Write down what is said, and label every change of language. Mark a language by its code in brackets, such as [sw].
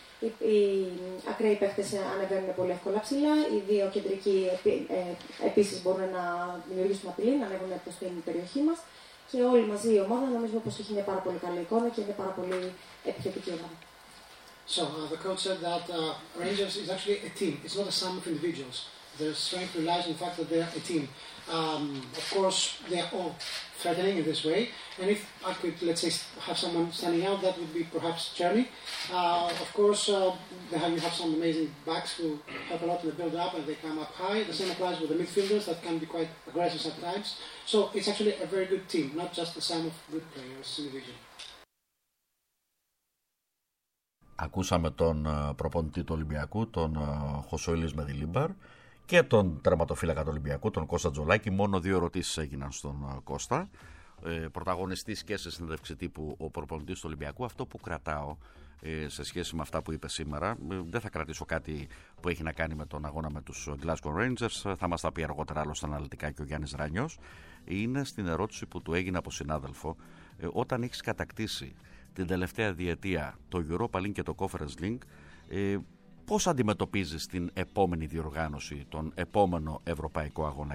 [el] Οι ακραίοι παίκτες ανεβαίνουν πολύ εύκολα ψηλά, οι δύο κεντρικοί επίσης μπορούν να δημιουργήσουν απειλή, να ανέβουν προς την περιοχή μας. Και όλοι μαζί η ομάδα νομίζω πως έχει μια πάρα πολύ καλή εικόνα και είναι πάρα πολύ επιθετική ομάδα. [en] So, the coach said that Rangers is actually a team. It's not a sum of individuals. Their strength relies on the fact that they are a team. Of course, they are all threatening in this way. And if I could, let's say, have someone standing out, that would be perhaps Cherny. Of course, you have some amazing backs who help a lot in the build-up and they come up high. The same applies with the midfielders that can be quite aggressive sometimes. So it's actually a very good team, not just the sum of good players in the region. [el] Ακούσαμε τον προπονητή του Ολυμπιακού, τον Χωσοήλις Μεδιλίμπαρ, και τον τερματοφύλακα του Ολυμπιακού, τον Κώστα Τζολάκη. Μόνο δύο ερωτήσεις έγιναν στον Κώστα, πρωταγωνιστής και σε συνέντευξη τύπου ο προπονητής του Ολυμπιακού. Αυτό που κρατάω σε σχέση με αυτά που είπε σήμερα, δεν θα κρατήσω κάτι που έχει να κάνει με τον αγώνα με τους Glasgow Rangers, θα μας τα πει αργότερα άλλωστε αναλυτικά και ο Γιάννης Ράνιος, είναι στην ερώτηση που του έγινε από συνάδελφο, όταν έχει κατακτήσει την τελευταία διετία το Europa League και το Conference League, πώς αντιμετωπίζεις την επόμενη διοργάνωση, τον επόμενο ευρωπαϊκό αγώνα?